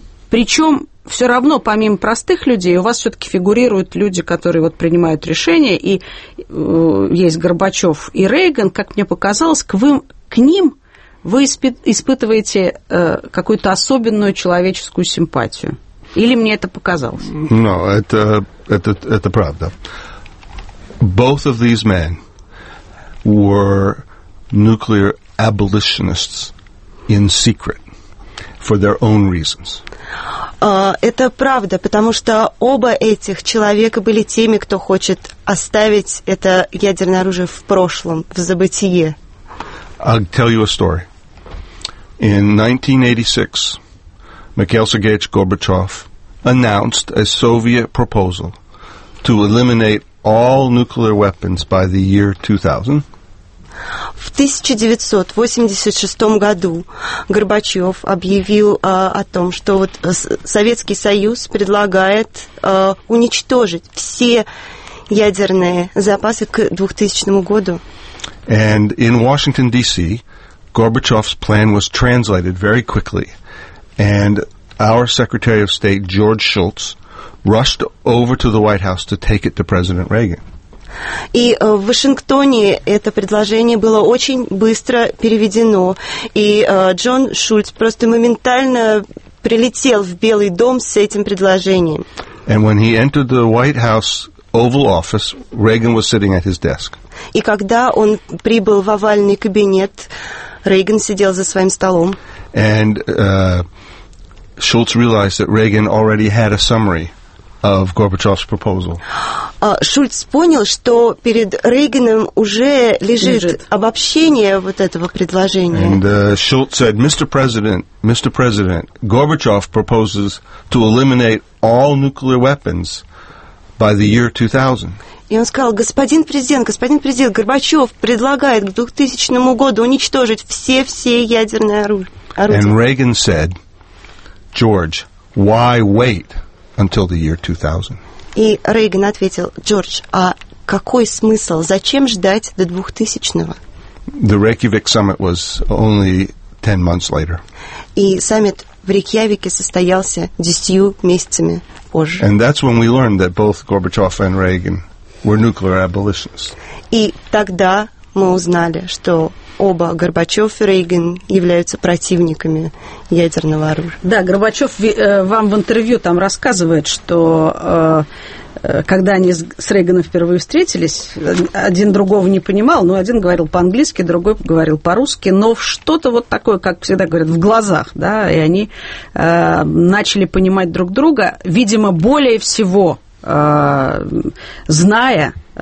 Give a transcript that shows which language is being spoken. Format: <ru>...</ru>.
<ru>Причем все равно, помимо простых людей, у вас все-таки фигурируют люди, которые вот принимают решения, и есть Горбачев и Рейган, как мне показалось, к ним вы испытываете какую-то особенную человеческую симпатию. Или мне это показалось?</ru> <en>No,</en> <ru>это правда.</ru> <en>Both of these men were nuclear abolitionists in secret for their own reasons.</en> <ru>Это правда, потому что оба этих человека были теми, кто хочет оставить это ядерное оружие в прошлом, в забытие.</ru> <en>I'll tell you a story. In 1986, Mikhail Sergeyevich Gorbachev announced a Soviet proposal to eliminate all nuclear weapons by the year 2000.</en> <ru>В 1986 году Горбачев объявил о том, что вот Советский Союз предлагает уничтожить все ядерные запасы к 2000 году.</ru> <en>And in Washington, D.C., Gorbachev's plan was translated very quickly, and our Secretary of State, George Shultz, rushed over to the White House to take it to President Reagan.</en> <ru>И в Вашингтоне это предложение было очень быстро переведено, и Джон Шульц просто моментально прилетел в Белый дом с этим предложением.</ru> <en>And when he entered the White House Oval Office, Reagan was sitting at his desk.</en> <ru>И когда он прибыл в овальный кабинет, Рейган сидел за своим столом.</ru> <en>And Shultz realized that Reagan already had a summary of Gorbachev's proposal.</en> <ru>Шульц понял, что перед Рейганом уже лежит обобщение вот этого предложения.</ru> <en>And Schultz said, Mr. President, Gorbachev proposes to eliminate all nuclear weapons by the year 2000.</en> <ru>И он сказал, господин президент, Горбачев предлагает к 2000 году уничтожить все ядерные орудия.</ru> <en>And Reagan said, George, why wait until the year 2000?</en> <ru>И Рейган ответил, Джордж, а какой смысл, зачем ждать до 2000-го?</ru> <en>The Reykjavik summit was only 10 months later.</en> <ru>И саммит в Рейкьявике состоялся 10 месяцами позже.</ru> <en>And that's when we learned that both Gorbachev and Reagan were nuclear abolitionists.</en> <ru>И тогда мы узнали, что оба, Горбачев и Рейган, являются противниками ядерного оружия. Да, Горбачев вам в интервью там рассказывает, что когда они с Рейганом впервые встретились, один другого не понимал, но один говорил по-английски, другой говорил по-русски, но что-то вот такое, как всегда говорят, в глазах, да, и они начали понимать друг друга, видимо, более всего зная,</ru>